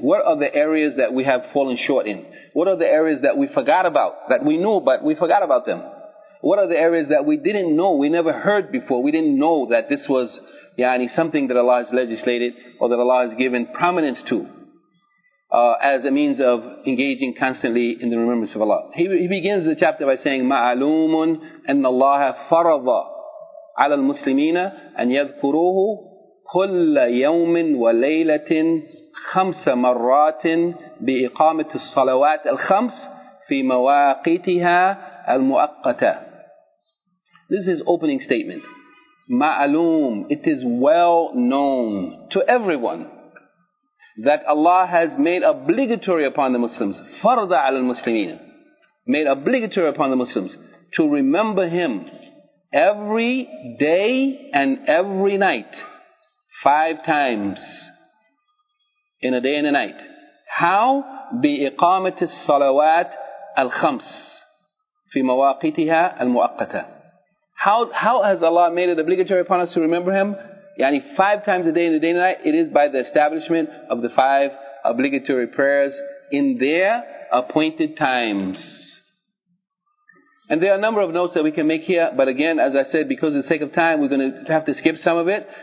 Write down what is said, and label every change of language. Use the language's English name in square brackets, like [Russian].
[English] What are the areas that we have fallen short in? What are the areas that we forgot about, that we knew but we forgot about them? What are the areas that we didn't know, we never heard before, we didn't know that this was yani something that Allah has legislated or that Allah has given prominence to as a means of engaging constantly in the remembrance of Allah? He begins the chapter by saying, [Arabic] مَعَلُومٌ أَنَّ اللَّهَ فَرَضَ عَلَى الْمُسْلِمِينَ أَنْ يَذْكُرُوهُ كُلَّ يَوْمٍ وَلَيْلَةٍ خمس مرات بإقامة الصلوات الخمس في مواقيتها المؤقتة. [English] This is opening statement. [Arabic] معلوم. [English] It is well known to everyone that Allah has made obligatory upon the Muslims, [Arabic] فرض على المسلمين, [English] made obligatory upon the Muslims to remember Him every day and every night, five times in a day and a night. How? [Arabic] بإقامة الصلوات الخمس في مواقيتها المؤقتة. [English] How has Allah made it obligatory upon us to remember Him? Yani five times a day in the day and night, it is by the establishment of the five obligatory prayers in their appointed times. And there are a number of notes that we can make here, but again, as I said, because of the sake of time, we're going to have to skip some of it.